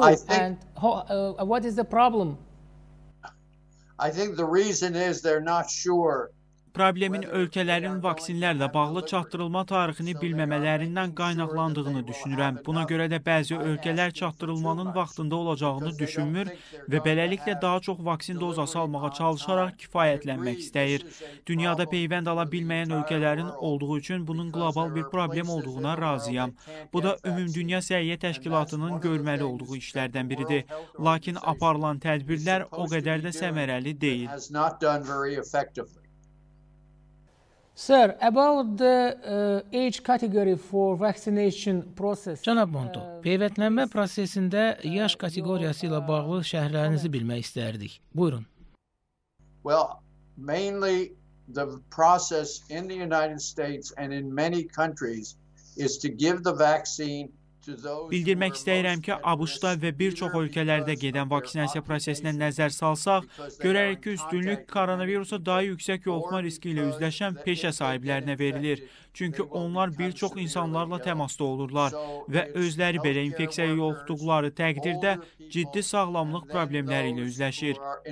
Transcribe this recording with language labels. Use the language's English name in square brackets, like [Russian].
[English] Well, what is the problem? I think the reason is they're not sure. [Azerbaijani] Problemin ölkələrin vaksinlərlə bağlı çatdırılma tarixini bilməmələrindən qaynaqlandığını düşünürəm. Buna görə də bəzi ölkələr çatdırılmanın vaxtında olacağını düşünmür və beləliklə daha çox vaksin dozası almağa çalışaraq kifayətlənmək istəyir. Dünyada peyvənd ala bilməyən ölkələrin olduğu üçün bunun qlobal bir problem olduğuna razıyam. Bu da Ümumdünya Səhiyyə Təşkilatının görməli olduğu işlərdən biridir. Lakin aparılan tədbirlər o qədər də səmərəli deyil. [English] Sir, about the age category for vaccination process. [Azerbaijani] Cənab Monto, peyvətlənmə prosesində yaş kateqoriyası ilə bağlı şərhlərinizi bilmək istərdik. Buyurun. [English] Well, mainly the process in the United States and in many countries is to give the vaccine. [Azerbaijani] Bildirmək istəyirəm ki, ABŞ-da və bir çox ölkələrdə gedən vaksinasiya prosesinə nəzər salsaq, görərik ki, üstünlük koronavirusa daha yüksək yoluxma riski ilə üzləşən peşə sahiblərinə verilir. Çünki onlar bir çox insanlarla təmasda olurlar və özləri belə infeksiyaya yoluxduqları təqdirdə ciddi sağlamlıq problemləri ilə üzləşir.